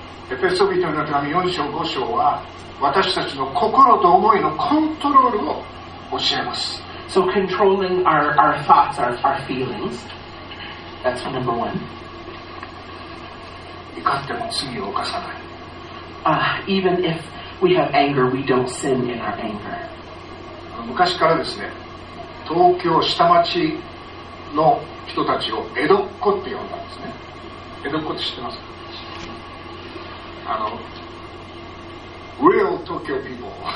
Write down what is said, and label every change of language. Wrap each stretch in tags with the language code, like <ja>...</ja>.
<ja>エペソビトの手紙4章5章は私たちの心と思いのコントロールを教えます。</ja> <en>So controlling our thoughts, our feelings. That's number one.</en> <ja>怒っても罪を犯さない。</ja> <en>Even if we have anger, we don't sin in our anger.</en> <ja>昔からですね、東京下町の人たちを江戸っ子って呼んだんですね。江戸っ子って知ってますか？</ja> <en>あの、Real Tokyo People。</en>